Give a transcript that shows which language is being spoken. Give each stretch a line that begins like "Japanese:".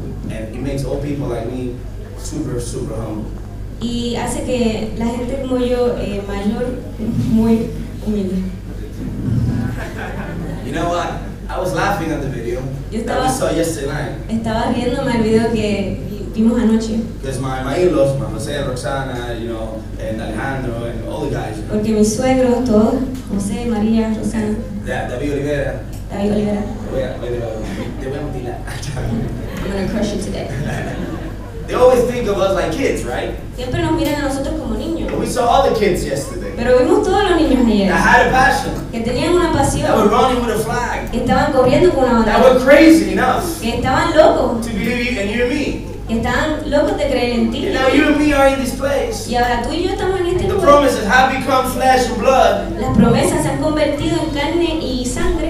English: And it makes old people like me super, super humble.
Spanish: Y hace que la gente como yo mayor muy humilde.
English: You know what? I was laughing at the video that we saw yesterday night.
Spanish: Estaba riéndome al video que vimos anoche.
English: Because my in-laws, my Jose, Roxana, you know, and Alejandro, and all the guys.
Spanish: Porque mis suegros todos, Jose, María, Roxana.
English: Yeah, David Olivera. David Olivera.
Spanish: Te voy a mutilar.
English: I'm gonna crush you today. They always think of us like kids, right?
Spanish: Siempre nos miran a nosotros como niños.
English: But we saw all the kids yesterday.
Spanish: Pero vimos todos los niños ayer.
English: That had a passion.
Spanish: Que tenían una pasión.
English: That were running with a flag.
Spanish: Que estaban corriendo con una bandera.
English: That were crazy enough.
Spanish: Que estaban locos.
English: To believe you and you and me.
Spanish: Están locos de creer en ti.
English: And now you and me are in this place.
Spanish: Y ahora tú y yo estamos en este lugar.
English: The promises have become flesh and blood.
Spanish: Las promesas se han convertido en carne y sangre.